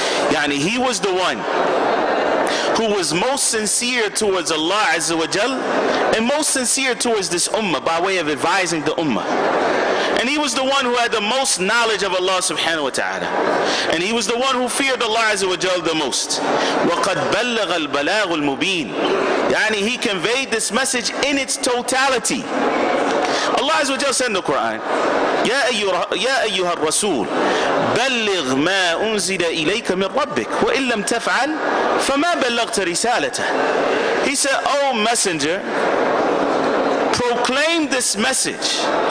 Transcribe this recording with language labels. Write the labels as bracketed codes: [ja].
[en] Yani he was the one who was most sincere towards Allah azza wa jal and most sincere towards this ummah by way of advising the ummah. And he was the one who had the most knowledge of Allah subhanahu wa ta'ala. And he was the one who feared Allah azza wa jal the most. [ar] وَقَدْ بَلَّغَ الْبَلَاغُ الْمُبِينَ. [en] Yani he conveyed this message in its totality. Allah azza wa jal said in the Quran, [ar] يَا أَيُّهَا الرَّسُولُ بَلِّغْ مَا أُنزِلَ إِلَيْكَ مِنْ رَبِّكَ وَإِنْ لَمْ تَفْعَلْ فَمَا بَلَّغْتَ رِسَالَتَهُ. [en] He said, O messenger, proclaim this message.